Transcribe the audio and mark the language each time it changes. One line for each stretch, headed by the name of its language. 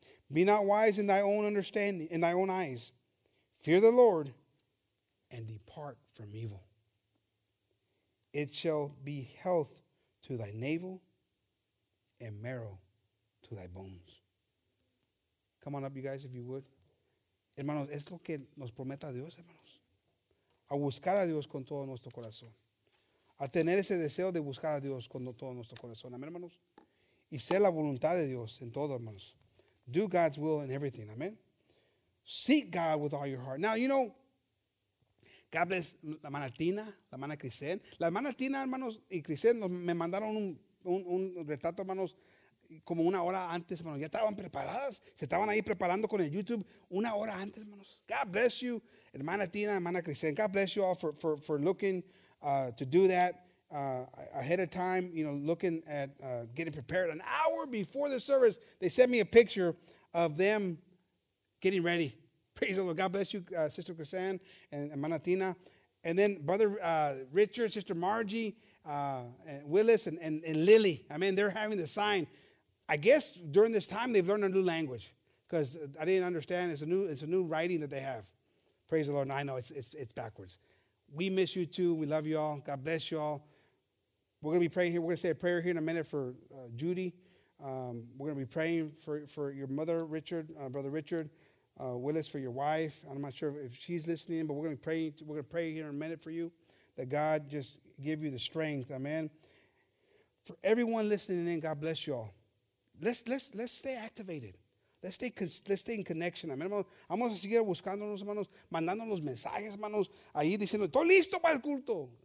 English: Be not wise in thy own understanding, in thy own eyes. Fear the Lord and depart from evil. It shall be health to thy navel and marrow to thy bones. Come on up, you guys, if you would.
Spanish: Hermanos, es lo que nos promete a Dios, hermanos. A buscar a Dios con todo nuestro corazón. A tener ese deseo de buscar a Dios con todo nuestro corazón. Amén, hermanos. Y ser la voluntad de Dios en todo, hermanos.
English: Do God's will in everything. Amen. Seek God with all your heart. Now, you know, God bless
Spanish: la hermana Tina, la hermana Crisen. La hermana Tina, hermanos, y Crisen me mandaron un retrato, hermanos, como una hora antes, hermanos. Ya estaban preparadas. Se estaban ahí preparando con el YouTube una hora antes, hermanos.
English: God bless you,
Spanish: hermana Tina, hermana Crisen.
English: God bless you all for looking to do that ahead of time, you know, looking at getting prepared. An hour before the service, they sent me a picture of them getting ready. Praise the Lord. God bless you, Sister Chrisanne and Manatina. And then Brother Richard, Sister Margie, and Willis, and Lily. I mean, they're having the sign. I guess during this time, they've learned a new language because I didn't understand. It's a new writing that they have. Praise the Lord. And I know it's backwards. We miss you too. We love you all. God bless you all. We're going to be praying here. We're going to say a prayer here in a minute for Judy. We're going to be praying for your mother, Richard, Brother Richard, Willis, for your wife. I'm not sure if she's listening, but we're going to be praying. We're going to pray here in a minute for you that God just give you the strength. Amen. For everyone listening in, God bless you all. Let's stay activated. Let's stay in connection. Amen.
Spanish: Vamos a seguir buscándonos, hermanos, mandando los mensajes, hermanos, ahí diciendo, estoy listo para el culto.